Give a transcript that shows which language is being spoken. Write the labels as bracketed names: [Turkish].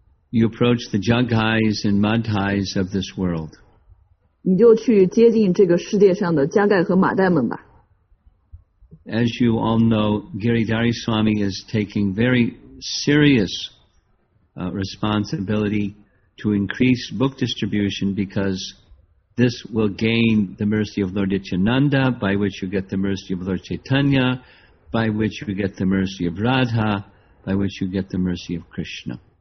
[English] You approach the jagais and madhais of this world. [Chinese] 你就去接近这个世界上的加盖和马代们吧。 [English] As you all know, Giridhari Swami is taking very serious responsibility to increase book distribution because this will gain the mercy of Lord Nityananda, by which you get the mercy of Lord Chaitanya,by which you get the mercy of Radha, by which you get the mercy of Krishna.